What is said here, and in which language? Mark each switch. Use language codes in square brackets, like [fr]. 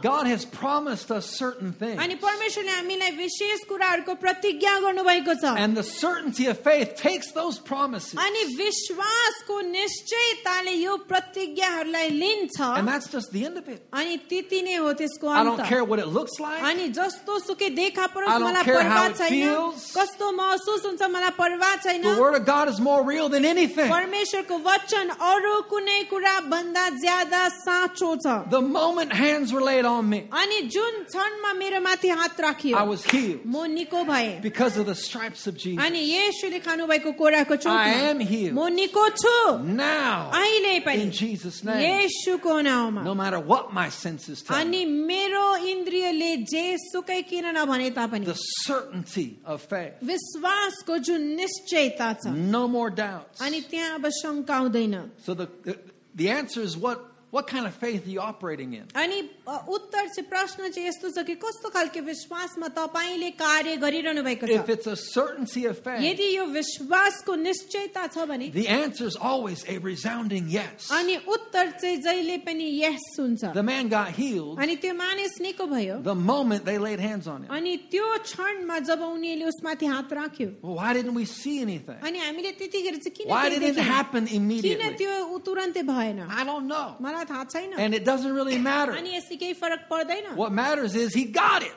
[en] God has promised us certain things. And the certainty of faith takes those promises. And that's just the end of it. I don't care what it looks like. [ne] कस्तो के देखा परोस मलाई परवा छैन कस्तो महसुस हुन्छ मलाई परवा छैन [en] The word of God is more real than anything. [ne] परमेश्वरको वचन अरु कुनै कुरा भन्दा ज्यादा साँचो छ [en] The moment hands were laid on me. [ne] अनि जुन क्षणमा मेरो माथि हात राखियो [en] I was healed. [ne] म निको भए [en] Because of the stripes of Jesus. [ne] अनि येशूले खानु भएको कोराको चोटमा [en] I am healed. [ne] म निको छु [en] Now. [ne] अहिले पनि [en] In Jesus name. [ne] येशूको नाममा [en] No matter what my senses tell. [ne] अनि मेरो इन्द्रियले जे सुकै किन नभने तापनि [en] the certainty of faith [ne] विश्वासको जुन निश्चयता छ [en] no more doubts [ne] अनि त्यहाँ अब शंका हुँदैन [en] so the answer is what kind of faith are you operating in [ne] अनि उत्तर चाहिँ प्रश्न चाहिँ यस्तो छ कि कस्तो खालको विश्वासमा तपाईले कार्य गरिरहनु भएको छ [en] if it's a certainty of faith [ne] यदि यो विश्वासको निश्चयता छ भने [en] the answer is always a resounding yes [ne] अनि उत्तर चाहिँ जहिले पनि yes हुन्छ [en] the man got healed [ne] अनि त्यो मानिस निको भयो [en] the moment they laid hands on him [ne] अनि त्यो क्षणमा जब उनीले उसमाथि हात राख्यो [en] why didn't we see anything [ne] अनि हामीले त्यतिखेर चाहिँ किन [en] why didn't it happen immediately [ne] किन त्यो तुरुन्तै भएन [en] I don't know And it doesn't really matter. What matters is he got it.